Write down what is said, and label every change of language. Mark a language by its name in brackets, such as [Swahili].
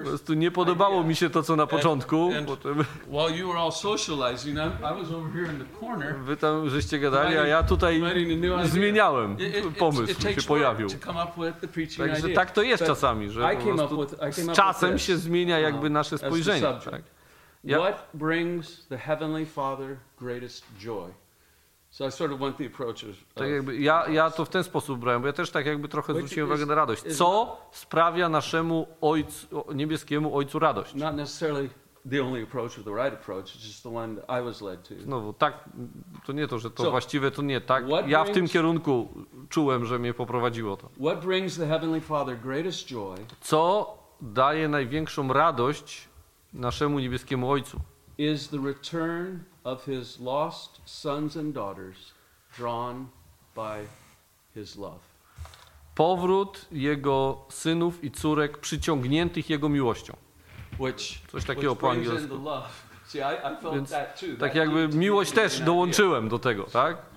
[Polish] prostu nie podobało mi się to, co na początku. [English] While you were all socializing, I was over here in the corner. [Polish] Wy tam żeście gadali, a ja tutaj zmieniałem pomysł, się pojawił. Także tak to jest czasami, że z czasem się zmienia jakby nasze spojrzenie. Tak? [English] Yep. What brings the Heavenly Father greatest joy? So I sort of went the approach of [Polish] tak jakby ja to w ten sposób brałem, bo ja też tak jakby trochę zwróciłem uwagę na radość. Co sprawia naszemu Ojcu, niebieskiemu Ojcu radość? [English] Not necessarily the only approach or the right approach, it's just the one that I was led to. [Polish] Znowu, tak, to nie to, że to właściwe, to nie, tak. Ja w tym kierunku czułem, że mnie poprowadziło to. [English] What brings the Heavenly Father greatest joy? [Polish] Co daje największą radość naszemu niebieskiemu Ojcu? [English] Is the return of his lost sons and daughters drawn by his love. [Polish] Powrót jego synów i córek przyciągniętych jego miłością. Coś takiego po angielsku. Więc tak jakby miłość też dołączyłem do tego, tak?